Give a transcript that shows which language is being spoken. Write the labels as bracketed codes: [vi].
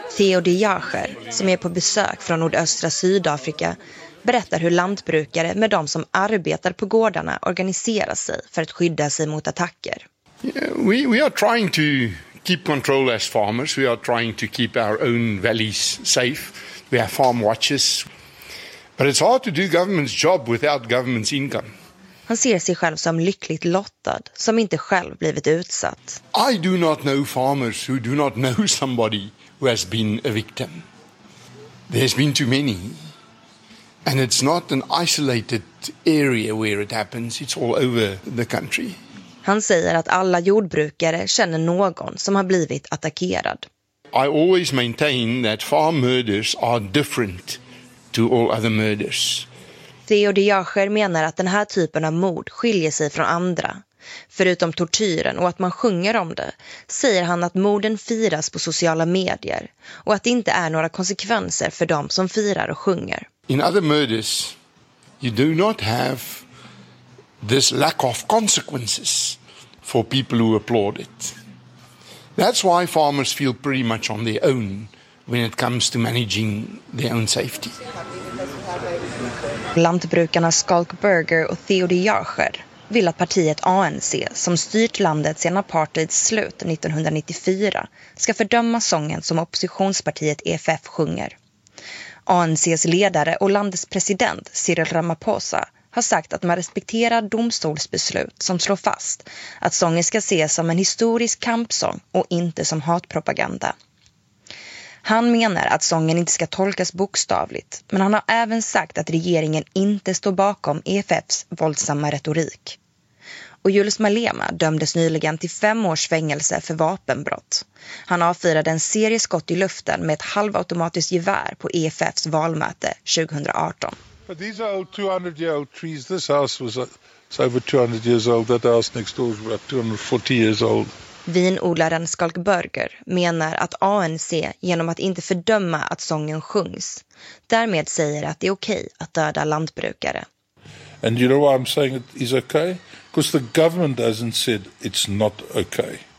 [sv] Theo de Jager, som är på besök från nordöstra Sydafrika, berättar hur lantbrukare med de som arbetar på gårdarna organiserar sig för att skydda sig mot attacker. [en] Yeah, we are trying to keep control as farmers. We are trying to keep our own valleys safe. We have farm watches. But it's hard to do government's job without government's income. [sv] Han ser sig själv som lyckligt lottad, som inte själv blivit utsatt. [en] I do not know farmers who do not know somebody who has been a victim. There's been too many. And it's not an isolated area where it happens. It's all over the country. [sv] Han säger att alla jordbrukare känner någon som har blivit attackerad. [en] I always maintain that farm murders are different to all other murders. [sv] Theo de Jager menar att den här typen av mord skiljer sig från andra. Förutom tortyren och att man sjunger om det, säger han att morden firas på sociala medier och att det inte är några konsekvenser för dem som firar och sjunger. [en] In other murders, you do not have this lack of consequences for people who applaud it. That's why farmers feel pretty much on their own when it comes to managing their own safety. [sv] Lantbrukarna Skalk Berger och Theo de Jager vill att partiet ANC, som styrt landet sedan apartheids slut 1994, ska fördöma sången som oppositionspartiet EFF sjunger. ANCs ledare och landets president Cyril Ramaphosa har sagt att man respekterar domstolsbeslut som slår fast att sången ska ses som en historisk kampsång och inte som hatpropaganda. Han menar att sången inte ska tolkas bokstavligt, men han har även sagt att regeringen inte står bakom EFFs våldsamma retorik. Och Jules Malema dömdes nyligen till 5 års fängelse för vapenbrott. Han avfyrade en serie skott i luften med ett halvautomatiskt gevär på EFFs valmöte 2018. [en] But these are old 200-year-old trees. This house was over 200 years old. That house next door was about 240 years old. [sv] Vinodlaren Skalk Burger menar att ANC genom att inte fördöma att sången sjungs därmed säger att det är okej att döda lantbrukare. [en] And you know why I'm saying it is okay? Because the government hasn't said it's not okay.